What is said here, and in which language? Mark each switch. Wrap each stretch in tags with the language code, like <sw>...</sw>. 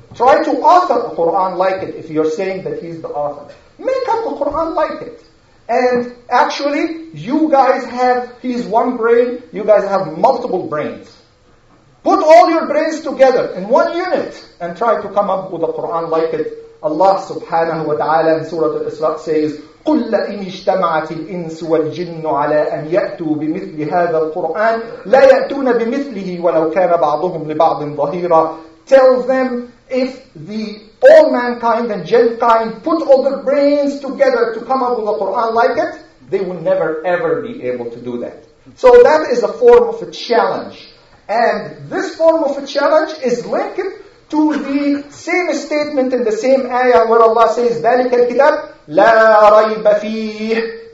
<en>Try to author a Quran like it, if you're saying that he's the author. Make up a Quran like it. And actually, you guys have, he's one brain, you guys have multiple brains. Put all your brains together in one unit and try to come up with a Quran like it. Allah subhanahu wa ta'ala in Surah Al-Isra says,</en> <ar>قُلْ لَإِنِ اجْتَمَعَتِ الْإِنسُ وَالْجِنُّ عَلَىٰ أَنْ يَأْتُوا بِمِثْلِ هَذَا الْقُرْآنِ لَا يَأْتُونَ بِمِثْلِهِ وَلَوْ كَانَ بَعْضُهُمْ لِبَعْضٍ ظَهِيرًا.</ar> <en>Tell them, if the all mankind and gentkind put all their brains together to come up with a Quran like it, they will never ever be able to do that. So that is a form of a challenge. And this form of a challenge is linked to the same statement in the same ayah where Allah says,</en> <ar>ذَلِكَ الْكِتَابِ لَا رَيْبَ فِيهِ.</ar>